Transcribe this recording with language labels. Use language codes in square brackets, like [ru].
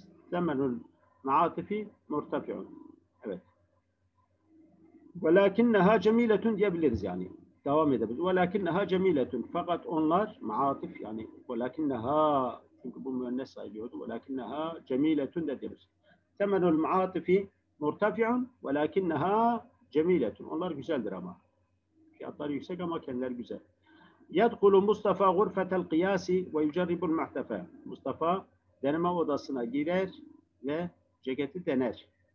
[ar] Temenul ma'atifi murtafi'un. Evet. وَلَاكِنَّهَا جَمِيلَةٌ [tr] diyebiliriz yani. Devam edebiliriz. وَلَاكِنَّهَا جَمِيلَةٌ fakat onlar maatif yani وَلَاكِنَّهَا çünkü bu müennes sayılıyordu. [ar] وَلَاكِنَّهَا جَمِيلَةٌ [tr] de diyebiliriz. [ar] ثَمَنُ الْمَعَاطِفِ مُرْتَفِعٌ وَلَاكِنَّهَا جَمِيلَةٌ [tr] onlar güzeldir ama. Fiyatları yüksek ama kendileri güzel. [ar] يَدْقُلُ مُصْطَفَى غُرْفَةَ الْقِيَاسِ وَيُجَرِّبُ الْمَحْتَفَى [tr] Mustafa deneme odasına girer ve ceketi dener.